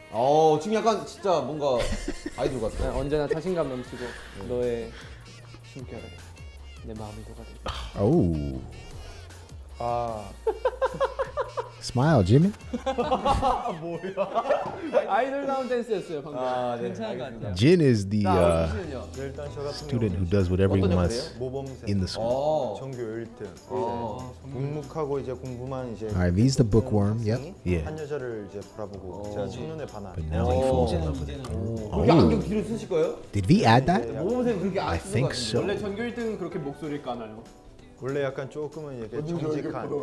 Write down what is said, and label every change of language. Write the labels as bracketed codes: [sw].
[ko] 어 지금 약간 진짜 뭔가 아이돌 같아. 언제나 자신감 넘치고 네. 너의 내 마음이 녹아들. 오. 아. [en] Smile, Jimmy. [ko] 뭐야? 아이돌다운 댄스였어요 방금. 아, 네. 괜찮은 거 같아요. [en] Jin is the student who does whatever he wants [ko] 모범생. [en] In the school. [ko] 전교 1등. 묵묵하고 이제 공부만 이제. [en] Alright, he's the bookworm. Yep. Yeah. [ko] 한 여자를 이제 바라보고 제가 첫눈에 반한. [en] But now he falls in love with her. [ko] 안경 뒤로 쓰실 거예요? [en] Did we add that? [ko] 모범생 그렇게 안 쓰는 거 같은데. 원래 전교 1등은 그렇게 목소리를 까나요? 원래 약간 조금은 이렇게 정직한.